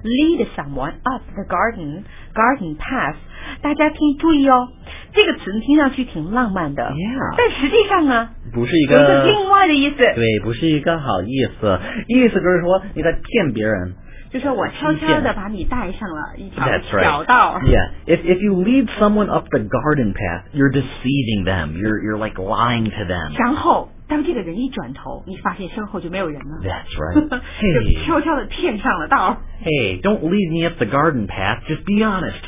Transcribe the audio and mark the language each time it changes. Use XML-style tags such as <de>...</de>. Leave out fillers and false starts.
<en>Lead someone up the garden path.</en> <zh>大家听注意哦，这个词听上去挺浪漫的 yeah, 但实际上呢不是一个是另外的意思，对，不是一个好意思，意思就是说你在骗别人，就是我悄悄的把你带上了一条小道、 right.</zh> <en>yeah, if you lead someone up the garden path you're deceiving them you're like lying to them，</en> <zh>然后当这个人一转头你发现身后就没有人了</zh> <en>That's right、</en> <zh>hey. 就悄悄的骗上了道</zh> <en>Hey, don't lead me up the garden path Just be honest</en>